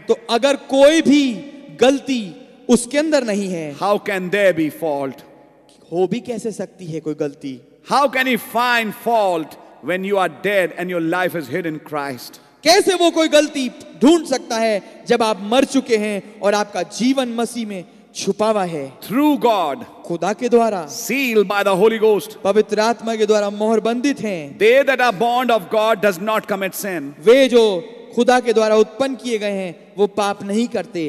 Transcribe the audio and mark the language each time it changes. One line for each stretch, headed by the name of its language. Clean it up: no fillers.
Hindi: तो अगर कोई भी गलती उसके अंदर नहीं है,
English: how can there be fault?
Hindi: हो भी कैसे सकती है कोई गलती.
English: How can he find fault when you are dead and your life is hid in Christ?
Hindi: कैसे वो कोई गलती ढूंढ सकता है जब आप मर चुके हैं और आपका जीवन मसीह में छुपा हुआ है.
English: Through God.
Hindi: खुदा के द्वारा.
English: Sealed by the Holy Ghost.
Hindi: पवित्र आत्मा के द्वारा मोहरबंदित हैं.
English: They that are bond of God does not commit sin.
Hindi: वे जो खुदा के द्वारा उत्पन्न किए गए हैं वो पाप नहीं करते.